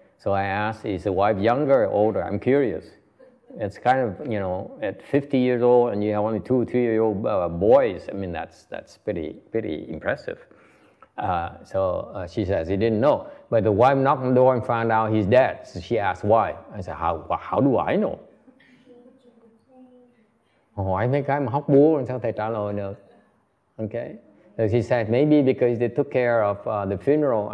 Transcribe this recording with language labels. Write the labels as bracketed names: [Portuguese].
[English] So I asked, is the wife younger or older? I'm curious. It's kind of, you know, at 50 years old and you have only 2 or 3-year-old boys, I mean, that's pretty impressive. So she says he didn't know. But the wife knocked on the door and found out he's dead. So she asked why. I said, how do I know? [Vietnamese] Hỏi mấy cái mà hóc búa làm sao thầy trả lời được, okay? [English] So she said, maybe because they took care of the funeral.